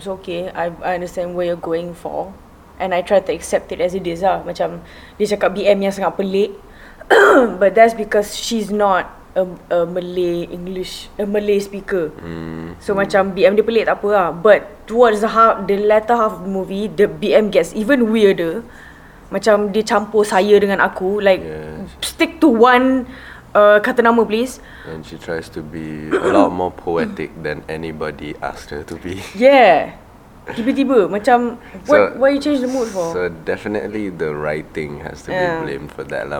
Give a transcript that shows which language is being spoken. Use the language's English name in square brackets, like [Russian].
[English] So okay, I understand where you're going for, and I try to accept it as it is lah. [Malay] Macam dia cakap BM yang sangat pelik, [English] but that's because she's not a Malay English, a Malay speaker. [Malay] So macam BM dia pelik tak apa lah. [English] But towards the latter half of the movie, the BM gets even weirder. [Malay] Macam dia campur saya dengan aku. [English] Like yes. Stick to one. [Malay] Kata nama [English] please. And she tries to be a lot more poetic than anybody asked her to be. Yeah. [Malay] Tiba-tiba macam [English] what, so, why you change the mood for? So definitely the writing has to be blamed for that lah.